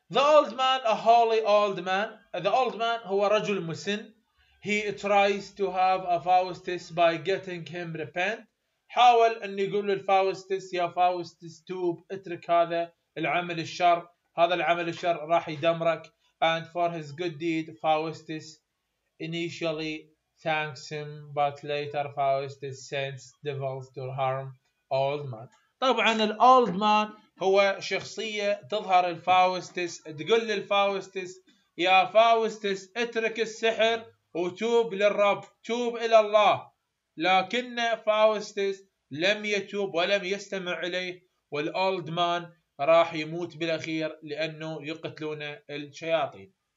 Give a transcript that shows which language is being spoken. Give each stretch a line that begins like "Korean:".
English: The old man, a holy old man. The old man
Arabic: هو رجل مسن.
English: He tries to have a Faustus by getting him repent.
Arabic: حاول أن يقول للفاوستس يا فاوستس توب، اترك هذا العمل الشر، هذا العمل الشر راح يدمرك.
English: And for his good deed, Faustus initially thanks him, but later Faustus sends devils to harm old man. طبعا the old man
Arabic: هو شخصية تظهر الفاوستس تقول للفاوستس يا فاوستس اترك السحر وتوب للرب، توب إلى الله. لكن فاوستس لم يتوب ولم يستمع إليه، والأولد مان راح يموت بالأخير لأنه يقتلون الشياطين.